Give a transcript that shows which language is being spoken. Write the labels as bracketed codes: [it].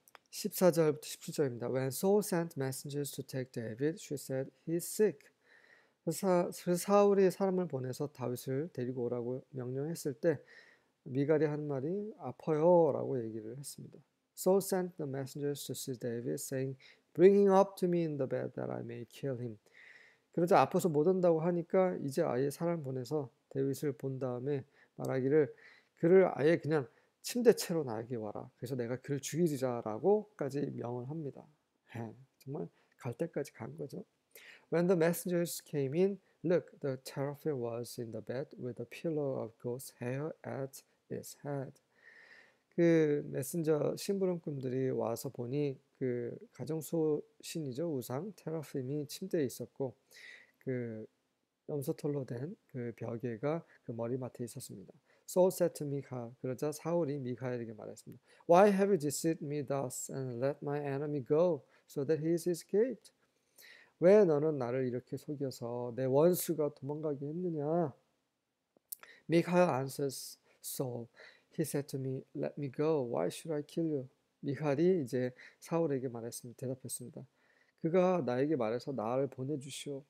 [ko] 14절부터 17절입니다. [en] When Saul sent messengers to take David, she said, "He's sick." [ko] 사울이 사람을 보내서 다윗을 데리고 오라고 명령했을 때 미갈이 한 말이 아파요라고 얘기를 했습니다. [en] Saul sent the messengers to see David, saying, "Bring him up to me in the bed that I may kill him." [ko] 그러자 아파서 못 온다고 하니까 이제 아예 사람 보내서 데윗을 본 다음에 말하기를 그를 아예 그냥 침대채로 나에게 와라. 그래서 내가 그를 죽이리라라고까지 명을 합니다. 정말 갈 때까지 간 거죠. [en] When the messengers came in, look, the teraphim was in the bed with a pillow of goat's hair at its head. [ko] 그 메신저 심부름꾼들이 와서 보니 그 가정수신이죠. 우상 테라핌이 침대에 있었고 그 염소털로 된그 벽에가 그 머리맡에 있었습니다. [en] Saul said to Michal. [ko] 그러자 사울이 미카엘에게 말했습니다. [en] Why have you deceived me thus and let my enemy go so that he is escaped? [ko] 왜 너는 나를 이렇게 속여서 내 원수가 도망가게 했느냐? [en] Michal answers Saul. He said to me, "Let me go. Why should I kill you?" [ko] 미갈이 이제 사울에게 말했습니다. 대답했습니다. 그가 나에게 말해서 나를 보내주시오.